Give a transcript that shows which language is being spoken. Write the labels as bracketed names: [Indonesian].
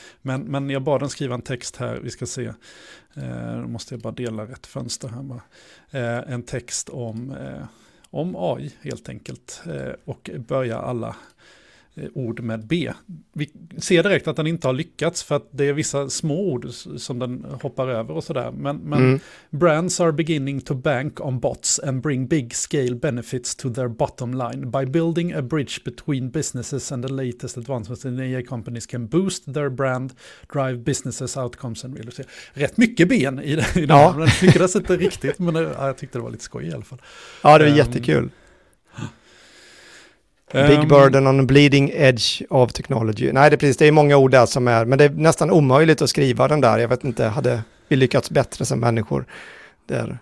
[Swedish] Men jag bad den skriva en text här, vi ska se, då måste jag bara dela rätt fönster här bara. En text om AI helt enkelt, och börja alla ord med B. Vi ser direkt att den inte har lyckats för att det är vissa små ord som den hoppar över och sådär. Men [English] brands are beginning to bank on bots and bring big scale benefits to their bottom line. By building a bridge between businesses and the latest advancements in AI companies can boost their brand, drive businesses outcomes and real estate. [Swedish] Rätt mycket ben i den här, men jag tycker det inte riktigt, men jag tyckte det var lite skoj i alla fall. Ja, det var jättekul. [English] Big burden on the bleeding edge of technology. [Swedish] Nej, det är precis, det är många ord där som är, men det är nästan omöjligt att skriva den där. Jag vet inte, hade vi lyckats bättre som människor där?